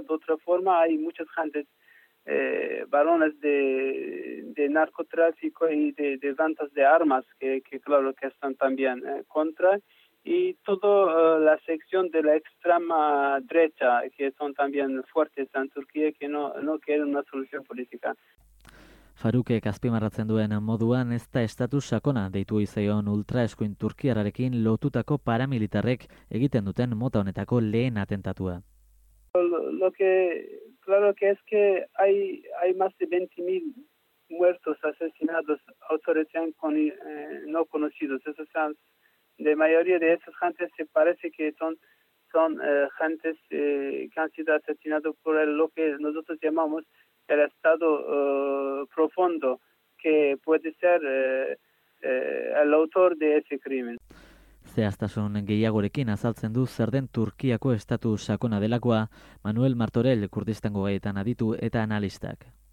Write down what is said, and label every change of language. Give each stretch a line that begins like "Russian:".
Spanish: De otra forma, hay muchas gentes, varones de narcotráfico y de ventas de armas que claro que están también contra, y toda la sección de la extrema derecha que son también fuertes en Turquía que no quieren una solución política.
Basque: Farukek azpimarratzen duen moduan ez da estatu sakona deitu izaion ultraeskuin turkiararekin lotutako paramilitarrek egiten duten mota honetako lehen atentatua.
Spanish: Lo que claro que es que hay más de 20.000 muertos asesinados autorizan con no conocidos. Esos son, de mayoría de esas gentes se parece que son gentes que han sido asesinados por lo que nosotros llamamos el Estado profundo, que puede ser el autor de ese crimen.
Basque: Zehaztasun gehiagorekin azaltzen du zer den Turkiako estatu sakona delakoa Manuel Martorell, Kurdistango gaietan aditu eta analistak.